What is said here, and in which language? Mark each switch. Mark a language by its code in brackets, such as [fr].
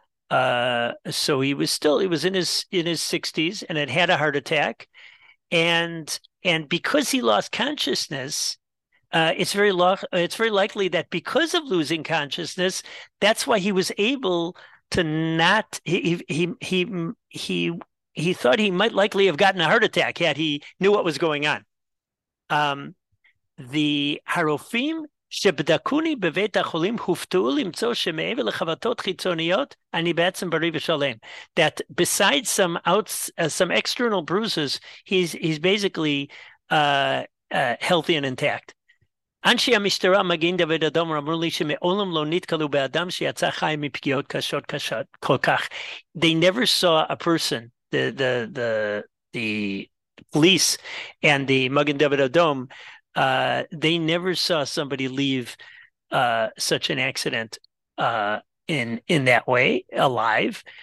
[en] So he was in his 60s, and had had a heart attack, and because he lost consciousness, it's very likely that because of losing consciousness, that's why he was able to not he thought he might likely have gotten a heart attack had he knew what was going on. The harofim. [he] שבדקוני בבית החולים הופתעו למצוא שמעבר לחבטות חיצוניות אני בעצם בריא ושלם. [en] That besides some external bruises, he's basically healthy and intact. [he] אנשי המשטרה מגן דוד אדום אמרו לי שמעולם לא נתקלו באדם שיצא חי מפגיעות קשות קשות כל כך. [en] They never saw a person, the police and the מגן דוד אדום, they never saw somebody leave such an accident in that way alive.